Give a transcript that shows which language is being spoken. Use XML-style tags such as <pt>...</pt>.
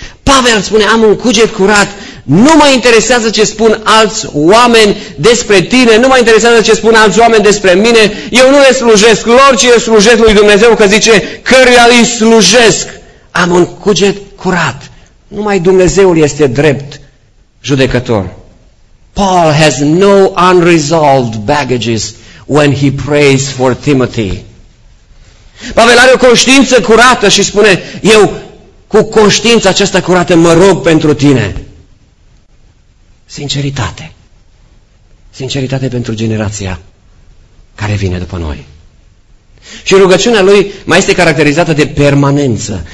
<ro>Pavel spune, am un cuget curat. Nu mă interesează ce spun alți oameni despre tine, nu mă interesează ce spun alți oameni despre mine. Eu nu le slujesc lor, ci le slujesc lui Dumnezeu, că zice, căruia îi slujesc. Am un cuget curat. Numai Dumnezeul este drept judecător.</ro> <en>Paul has no unresolved baggages when he prays for Timothy.</en> <ro>Pavel are o conștiință curată și spune, eu cu conștiința aceasta curată mă rog pentru tine. Sinceritate. Sinceritate pentru generația care vine după noi. Și rugăciunea lui mai este caracterizată de permanență.</ro>